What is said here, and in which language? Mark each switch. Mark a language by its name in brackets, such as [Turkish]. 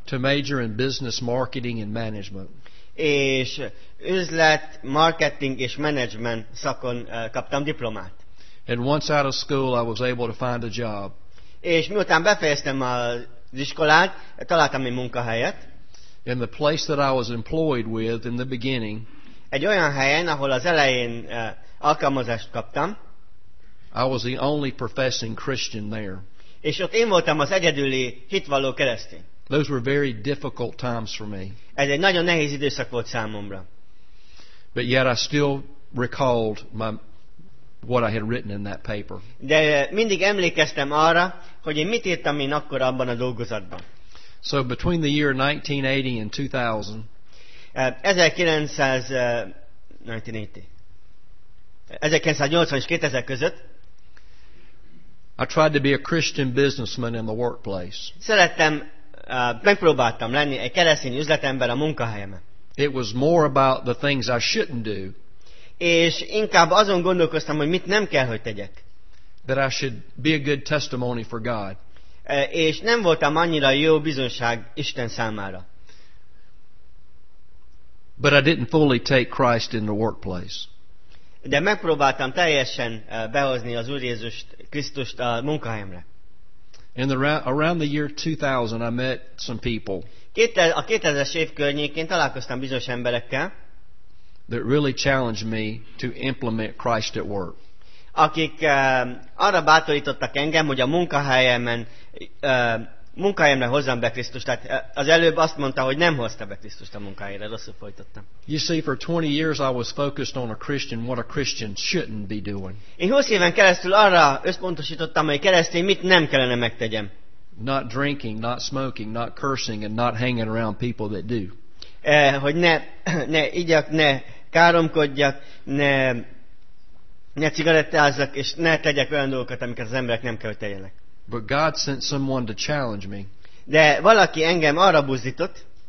[English] To major in business marketing and management. [Hungarian] És üzlet, marketing és management szakon kaptam diplomát. [English] And once out of school, I was able to find a job. [Hungarian] És miután befejeztem az iskolát, találtam egy munkahelyet. [English] In the place that I was employed with in the beginning. [Hungarian] Egy olyan helyen, ahol az elején alkalmazást kaptam. [English] I was the only professing Christian there. [Hungarian] És ott én voltam az egyedüli hitvalló keresztény. [English] Those were very difficult times for me. [Hungarian] Ez egy nagyon nehéz időszak volt számomra. [English] But yet I still recalled what I had written in that paper. [Hungarian] De mindig emlékeztem arra, hogy én mit írtam én akkor abban a dolgozatban. [English] So between the year 1980 and 2000. [Hungarian] 1980 és 2000 között. [English] I tried to be a Christian businessman in the workplace. [Hungarian] Szerettem, megpróbáltam lenni egy keresztény üzletember a munkahelyemen. [English] It was more about the things I shouldn't do. [Hungarian] És inkább azon gondolkoztam, hogy mit nem kell, hogy tegyek. [English] that I should be a good testimony for God. [Hungarian] És nem voltam annyira jó bizonyság Isten számára. [English] But I didn't fully take Christ in the workplace. [Hungarian] De megpróbáltam teljesen behozni az Úr Jézus Krisztust a munkahelyemre. [English] In the around the year 2000 I met some people. [Hungarian] A 2000-es év környékén találkoztam bizonyos emberekkel. [English] That really challenged me to implement Christ at work. [Hungarian] Akik arra bátorítottak engem, hogy a munkahelyemre hozzam be Krisztust. Tehát az előbb azt mondta, hogy nem hozta be Krisztust a munkahelyre, rosszul folytottam. [English] You see, for 20 years I was focused on a Christian, what a Christian shouldn't be doing. [Hungarian] Én 20 éven keresztül arra összpontosítottam, hogy keresztény mit nem kellene megtegyem. [English] Not drinking, not smoking, not cursing, and not hanging around people that do. [Hungarian] Hogy ne igyak, ne káromkodjak, ne cigarettázzak, és ne tegyek olyan dolgokat, amiket az emberek nem kell, hogy tegyenek. [English] But God sent someone to challenge me. [Hungarian] De valaki engem arra buzdított.